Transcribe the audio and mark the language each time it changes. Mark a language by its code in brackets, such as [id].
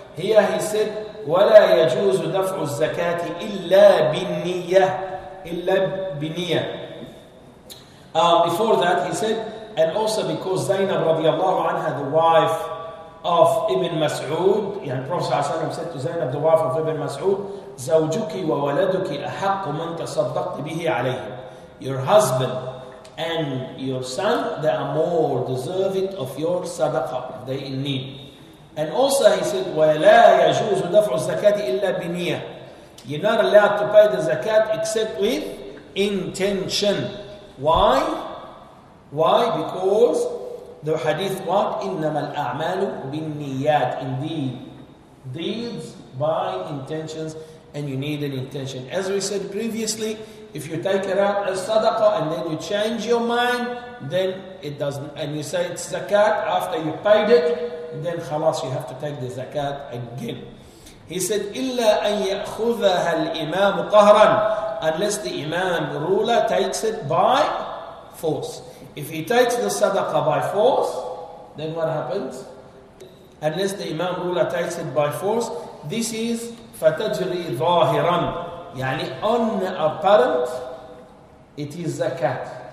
[en] Here he said, [ar] وَلَا يَجُوزُ دَفْعُ الزَّكَاةِ إِلَّا بِالنِّيَّةِ [en] إِلَّا بِالنِّيَّةِ Before that he said, and also because Zainab radiallahu anha, the wife of Ibn Mas'ud, and Prophet said to Zainab, the wife of Ibn Mas'ud, [ar] زَوْجُكِ وَوَلَدُكِ أَحَقُّ مَنْ تَصَدَّقْتِ بِهِ عَلَيْهِ. [en] Your husband and your son, they are more deserving of your sadaqah, they in need. And also he said, [ar] وَلَا يَجُوزُ دَفْعُ الزَّكَاةِ إِلَّا بِنِيَةِ. [en] You're not allowed to pay the zakat except with intention. Why? Why? Because the hadith what? [ar] إِنَّمَا الْأَعْمَالُ بِالنِّيَّاتِ. [en] Indeed, deeds by intentions, and you need an intention. As we said previously, if you take it out as sadaqah and then you change your mind, then it doesn't, and you say it's zakat after you paid it, then khalas, you have to take the zakat again. He said, [ar] إِلَّا أَن يَأْخُذَهَا الْإِمَامُ قَهْرًا. [en] Unless the imam, the ruler, takes it by force. If he takes the sadaqah by force, then what happens? Unless the imam ruler takes it by force, this is [ar] فَتَجْرِي ظَاهِرًا. [en] يعني on apparent, it is zakat.